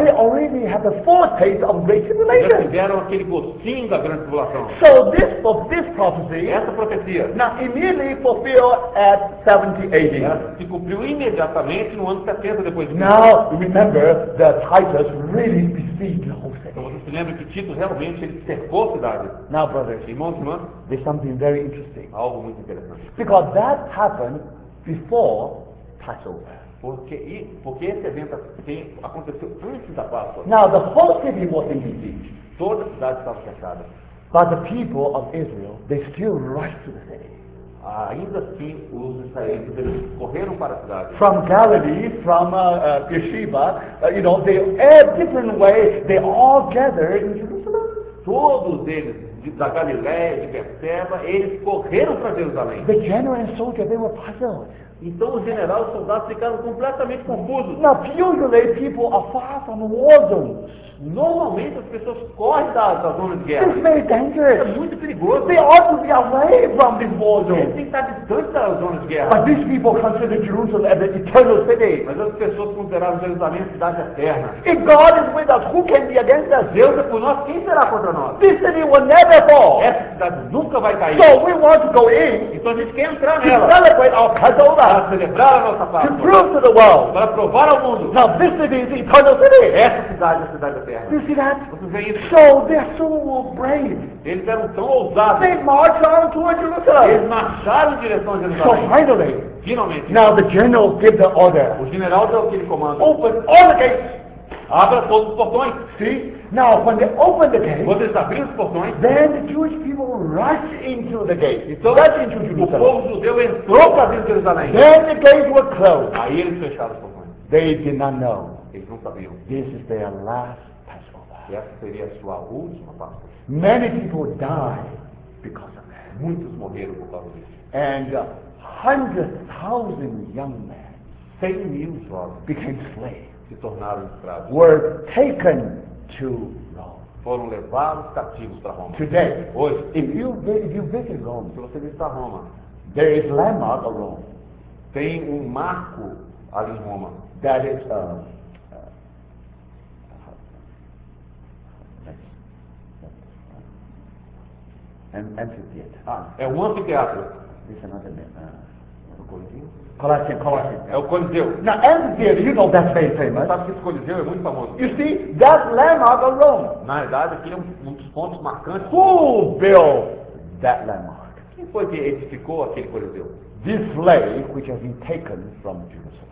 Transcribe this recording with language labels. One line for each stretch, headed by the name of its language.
English: they already have the foretaste of great tribulation.
Portuguese: Eles tiveram aquele gostinho da grande tribulação.
English: So this of this prophecy,
Portuguese: essa profecia,
English: now immediately fulfilled at 70 AD.
Portuguese: Se cumpriu imediatamente no ano 70 depois.
English: Now remember that Titus really besieged the whole city.
Portuguese: Então você se lembra que Tito realmente ele cercou a cidade.
English: Now brothers,
Portuguese: irmãos, irmãs,
English: there's something very interesting.
Portuguese: Algo muito interessante.
English: Because that happened before Passover.
Portuguese: Porque esse evento aconteceu antes da Páscoa.
English: Now the whole city was in besieged.
Portuguese: Toda a cidade estava cercada.
English: But the people of Israel, they still rushed to the city.
Portuguese: Ainda assim, os israelitas eles correram para a cidade.
English: From Galilee, from Beersheba, you know, they had different ways. They all gathered in Jerusalem.
Portuguese: Todos eles da Galiléia, de Beersheba, eles correram para Jerusalém.
English: The general and soldier, they were puzzled.
Portuguese: Então o general e os soldados ficaram completamente confusos.
English: Now, usually people are far from war zones.
Portuguese: Normalmente as pessoas correm da zona de guerra.
English: It's very dangerous.
Portuguese: É muito perigoso.
English: They ought to be away from this war zone.
Portuguese: Eles têm que estar distante da zona de guerra.
English: But these people consider Jerusalem as an eternal city.
Portuguese: Mas as pessoas consideraram Jerusalém cidade eterna.
English: If God is with us, who can be against us?
Portuguese: Deus é por nós, quem será contra nós?
English: This city will never fall.
Portuguese: Essa cidade nunca vai cair.
English: So we want to go in.
Portuguese: Então a gente quer entrar nela.
English: To celebrate our Passover.
Portuguese: Para celebrar a nossa Páscoa.
English: To prove to the world.
Portuguese: Para provar ao mundo.
English: Now, this city is eternal city.
Portuguese: Essa cidade é a cidade eterna.
English: You see that?
Portuguese: Você vê isso?
English: So they're so brave.
Portuguese: Eles eram tão ousados.
English: They marched on to Jerusalem.
Portuguese: Eles marcharam em direção a Jerusalém.
English: So finally.
Portuguese: Finalmente.
English: Now the general gave the order.
Portuguese: O general deu aquele comando.
English: Open all the gates.
Portuguese: Abra todos os portões.
English: See? Now, when they open the gate,
Portuguese: quando eles abriram os portões,
English: then the Jewish people rush into the gate.
Portuguese: Então,
English: rush into Jerusalem.
Portuguese: O povo judeu entrou para dentro de Jerusalém.
English: Then the gates were closed.
Portuguese: Aí eles fecharam os portões.
English: They did not know.
Portuguese: Eles não sabiam.
English: This is their last Passover.
Portuguese: Essa seria a sua última Páscoa.
English: Many people died because of that.
Portuguese: Muitos morreram por causa disso.
English: And 100,000 young men,
Portuguese: 100 mil jovens,
English: became slaves.
Portuguese: Se tornaram escravos.
English: Were taken to Rome.
Portuguese: Foram levados cativos para Roma.
English: Today,
Portuguese: hoje,
English: if you visit Rome,
Portuguese: se você visitar Roma,
English: there is landmark of Rome.
Portuguese: Tem marco ali em Roma.
English: That is an amphitheater.
Portuguese: Ah, é um anfiteatro.
English: This is another name.
Portuguese: Coliseu. É o Coliseu.
English: Now, amphitheater, you know that's very famous.
Portuguese: Sabe que esse Coliseu é muito famoso.
English: You see, that landmark of Rome.
Portuguese: Na verdade, aqui é um dos pontos marcantes.
English: Who built that landmark?
Portuguese: Quem foi que edificou aquele Coliseu?
English: This slave which has been taken from Jerusalem.